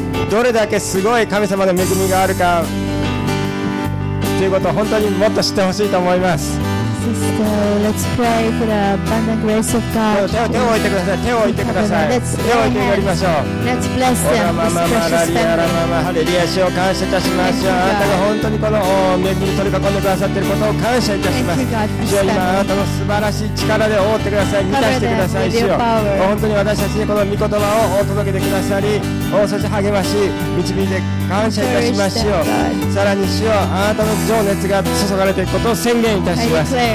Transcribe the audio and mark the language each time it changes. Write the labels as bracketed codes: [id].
[ja] どれだけすごい神様の恵みがあるかということを本当にもっと知ってほしいと思います。 [en] Sister, let's pray for the abundant grace of God. [ja] 手を置いてください。手を置いてください。手を置いて祈りましょう。 [en] Let's bless them. [ja] オラママママリアラママハレリア、主を感謝いたします。あなたが本当にこの恵みに取り囲んでくださっていることを感謝いたします。主よ、今あなたの素晴らしい力で覆ってください。満たしてください。主よ、本当に私たちにこの御言葉をお届けてくださり、そして励まし、導いて感謝いたします。主よ、さらに主よ、あなたの情熱が注がれていくことを宣言いたします。